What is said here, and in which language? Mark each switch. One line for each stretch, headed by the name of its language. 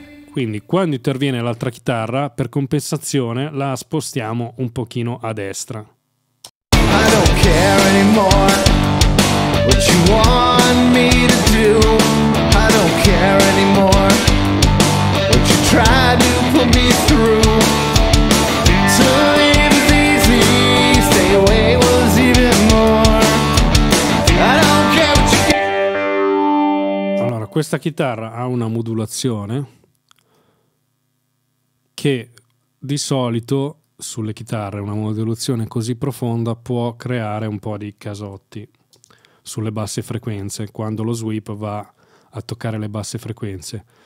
Italian: Quindi quando interviene l'altra chitarra, per compensazione la spostiamo un pochino a destra.
English: I don't care anymore what you want me to do. I don't care anymore what you tried to put me through. So it was easy, stay away was even more. I don't care what you care.
Italian: Allora, questa chitarra ha una modulazione che di solito sulle chitarre una modulazione così profonda può creare un po' di casotti sulle basse frequenze, quando lo sweep va a toccare le basse frequenze.